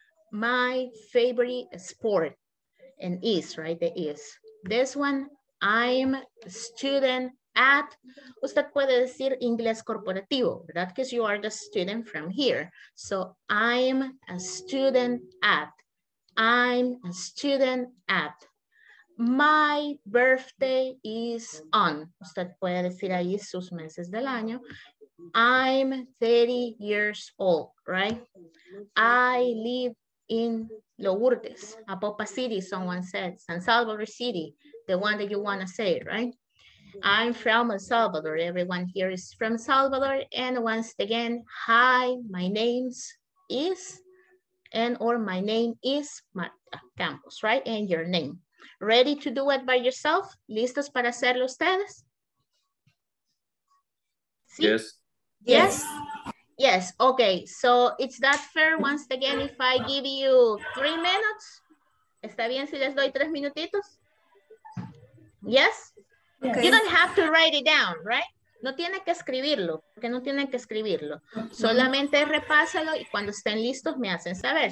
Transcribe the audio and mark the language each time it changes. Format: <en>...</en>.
<en>My favorite sport and is, right, the is. This one, I'm student at,</en> <es>usted puede decir inglés corporativo, ¿verdad?</es> <en>Because you are the student from here. So I'm a student at, I'm a student at. My birthday is on,</en> <es>usted puede decir ahí sus meses del año.</es> <en>I'm 30 years old, right? I live in Lourdes, Apopa City, someone said, San Salvador City, the one that you want to say, right? I'm from El Salvador. Everyone here is from Salvador. And once again, hi, my name's is, and or my name is Marta Campos, right? And your name. Ready to do it by yourself?</en> <es>¿Listos para hacerlo ustedes? ¿Sí?</es> <en>Yes. Yes. Yes, okay, so it's that fair once again if I give you 3 minutes?</en> <es>¿Está bien si les doy 3 minutitos?</es> <en>Yes? Okay. You don't have to write it down, right?</en> <es>No tiene que escribirlo, porque no tienen que escribirlo. Okay. Solamente repásalo y cuando estén listos me hacen saber.</es>